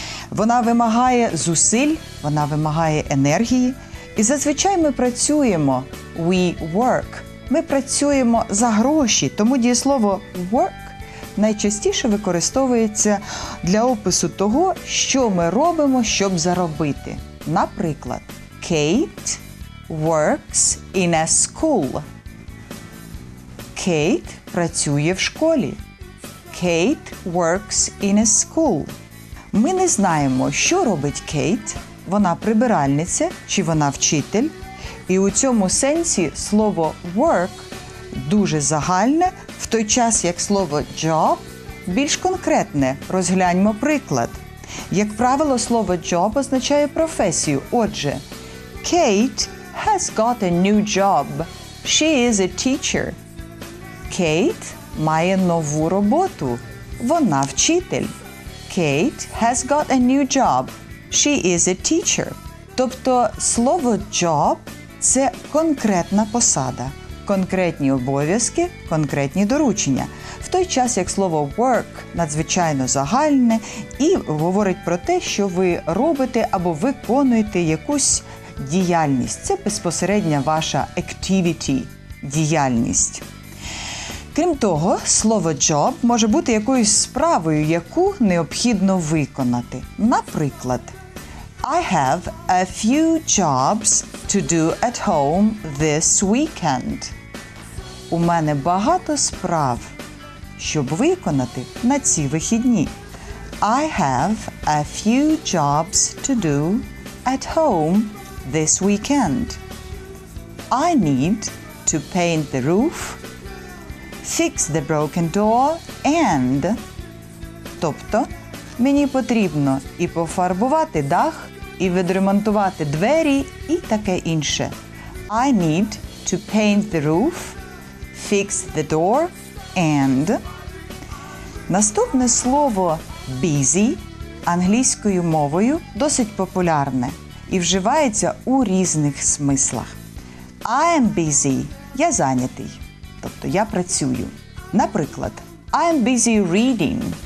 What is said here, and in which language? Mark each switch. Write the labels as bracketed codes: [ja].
[uk] Вона вимагає зусиль, вона вимагає енергії. І зазвичай ми працюємо – [en] we work. [uk] Ми працюємо за гроші, тому дієслово «work» найчастіше використовується для опису того, що ми робимо, щоб заробити. [en] Наприклад, Kate works in a school. [uk] Kate працює в школі. [en] Kate works in a school. [uk] Ми не знаємо, що робить Кейт. Вона прибиральниця чи вона вчитель? І у цьому сенсі слово work дуже загальне, в той час як слово job більш конкретне. Розгляньмо приклад. Як правило, слово job означає професію. [en] Отже, Kate has got a new job. She is a teacher. [uk] Кейт має нову роботу. Вона вчитель. [en] Kate has got a new job. She is a teacher. [uk] Тобто слово job – це конкретна посада, конкретні обов'язки, конкретні доручення. В той час, як слово work надзвичайно загальне і говорить про те, що ви робите або виконуєте якусь діяльність. Це безпосередня ваша activity – діяльність. Крім того, слово job може бути якоюсь справою, яку необхідно виконати. [en] Наприклад, I have a few jobs to do at home this weekend. [uk] У мене багато справ, щоб виконати на ці вихідні. [en] I have a few jobs to do at home this weekend. I need to paint the roof. Fix the broken door and... [uk] Тобто, мені потрібно і пофарбувати дах, і відремонтувати двері, і таке інше. [en] I need to paint the roof, fix the door and... [uk] Наступне слово busy англійською мовою досить популярне і вживається у різних смислах. [en] I am busy. [uk] Я зайнятий. Тобто, я працюю. [en] Наприклад, I'm busy reading.